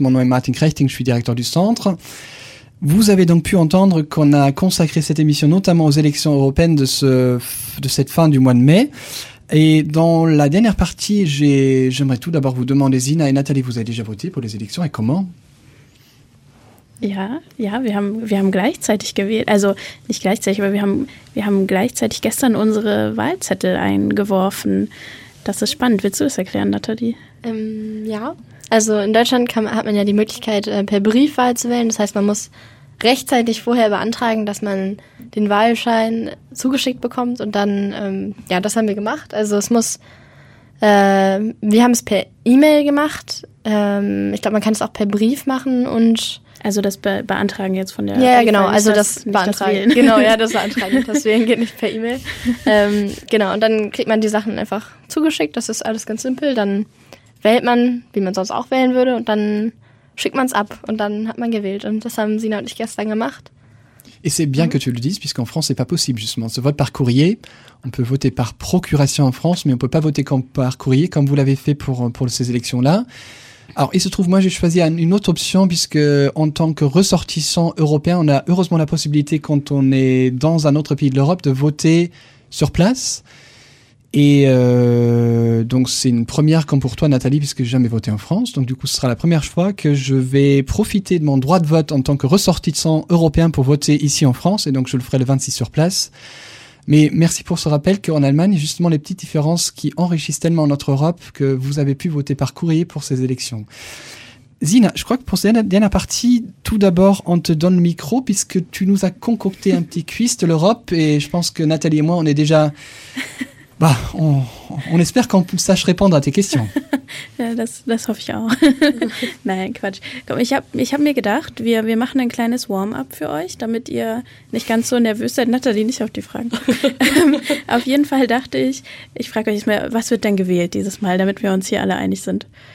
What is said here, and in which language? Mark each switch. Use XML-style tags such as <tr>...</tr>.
<fr>Mon nom est Martin Krechting, je suis directeur du centre. Vous avez donc pu entendre qu'on a consacré cette émission notamment aux élections européennes de cette fin du mois de mai. Et dans la dernière partie, j'aimerais tout d'abord vous demander, Zina et Nathalie, vous avez déjà voté pour les élections et comment ?</fr> <de>Ja, wir haben gleichzeitig gewählt, also nicht gleichzeitig, aber wir haben gleichzeitig gestern unsere Wahlzettel eingeworfen. Das ist spannend. Willst du das erklären, Nathalie? Ja, also in Deutschland hat man ja die Möglichkeit, per Briefwahl zu wählen. Das heißt, man muss rechtzeitig vorher beantragen, dass man den Wahlschein zugeschickt bekommt. Und dann, das haben wir gemacht. Also es muss, wir haben es per E-Mail gemacht. Ich glaube, man kann es auch per Brief machen und... Also das Beantragen jetzt von der... Ja, genau, also das Beantragen, das Wählen geht nicht per E-Mail. Genau, und dann kriegt man die Sachen einfach zugeschickt, das ist alles ganz simpel. Dann wählt man, wie man sonst auch wählen würde, und dann schickt man es ab und dann hat man gewählt. Und das haben Sina und ich gestern gemacht.</de> <fr>Et c'est bien que tu le dises, puisqu'en France, c'est pas possible, justement. On se vote par courrier, on peut voter par procuration en France, mais on peut pas voter par courrier, comme vous l'avez fait pour ces élections-là. Alors, il se trouve, moi, j'ai choisi une autre option, puisque en tant que ressortissant européen, on a heureusement la possibilité, quand on est dans un autre pays de l'Europe, de voter sur place. Et donc, c'est une première comme pour toi, Nathalie, puisque j'ai jamais voté en France. Donc, du coup, ce sera la première fois que je vais profiter de mon droit de vote en tant que ressortissant européen pour voter ici en France. Et donc, je le ferai le 26 sur place. Mais merci pour ce rappel qu'en Allemagne, justement, les petites différences qui enrichissent tellement notre Europe que vous avez pu voter par courrier pour ces élections. Zina, je crois que pour cette dernière partie, tout d'abord, on te donne le micro puisque tu nous as concocté un petit quiz de l'Europe et je pense que Nathalie et moi, on est déjà On espère qu'on sache répondre à tes questions.</fr> <de>Das hoffe ich auch. Nein, Quatsch. Komm, ich hab mir gedacht, wir machen ein kleines Warm-up für euch, damit ihr nicht ganz so nervös seid. Nathalie, nicht auf die Fragen. Auf jeden Fall dachte ich, ich frage euch mal, was wird denn gewählt dieses Mal, damit wir uns hier alle einig sind?</de>